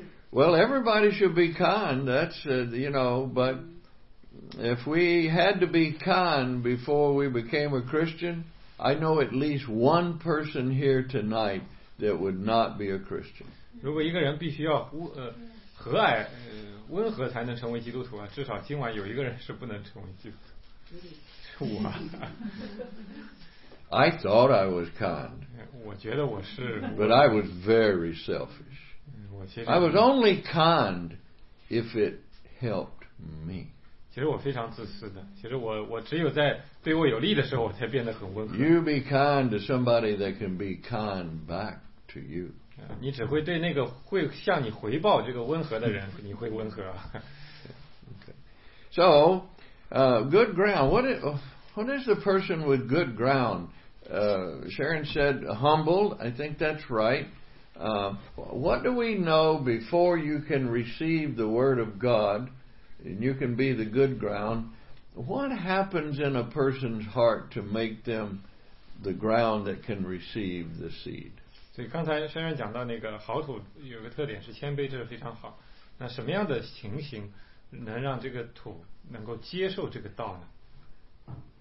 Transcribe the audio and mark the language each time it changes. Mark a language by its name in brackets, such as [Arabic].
[English] well everybody should be kind that's you know but if we had to be kind before we became a Christian I know at least one person here tonight that would not be a Christian [Chinese] 如果一个人必须要和蔼温和才能成为基督徒啊！至少今晚有一个人是不能成为基督徒。我。 [English] I thought I was kind. [Chinese] 我觉得我是。 [English] But I was very selfish. [Chinese] 我其实。 [English] I was only kind if it helped me. [Chinese] 其实我非常自私的。其实我只有在对我有利的时候，我才变得很温和。 [English] You be kind to somebody that can be kind back to you. [Chinese] 你只会对那个会向你回报这个温和的人，你会温和。 [English] So, good ground. What is the person with good ground? Sharon said humble. I think that's right. What do we know before you can receive the word of God and you can be the good ground? What happens in a person's heart to make them the ground that can receive the seed? [Chinese] 所以刚才先生讲到那个好土有个特点是谦卑，这是非常好。那什么样的情形能让这个土能够接受这个道呢？